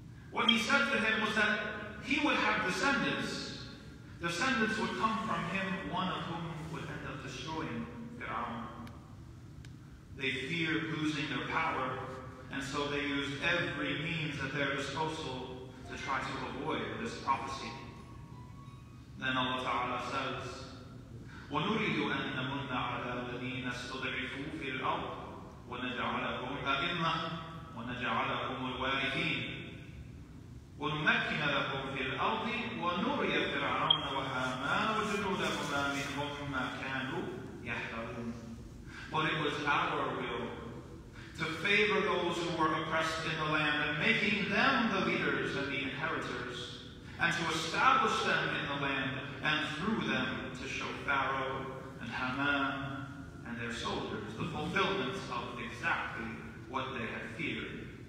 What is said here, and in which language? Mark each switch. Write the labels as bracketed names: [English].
[English] What he said to him was that he would have descendants. Descendants would come from him, one of whom would end up destroying Pharaoh. They feared losing their power, and so they used every means at their disposal to try to avoid this prophecy. Then Allah Ta'ala says, [Arabic] وَنُرِيدُ أَن نَمُنَّ عَلَى الَّذِينَ اسْتُضْعِفُوا فِي الْأَرْضِ وَنَجْعَلَهُمُ الْأَئِمَّةَ وَنَجْعَلَهُمُ الْوَارِثِينَ وَنُمَكِّنَ لَهُمْ فِي الْأَرْضِ وَنُرِيَ فِرْعَوْنَ وَهَامَانَ وَجُنُودَهُمَا مِنْهُم مَّا كَانُوا يَحْذَرُونَ. [English] But it was our will to favor those who were oppressed in the land and making them the leaders and the inheritors, and to establish them in the land and through them to show Pharaoh and Haman and their soldiers the fulfillment of exactly what they had feared.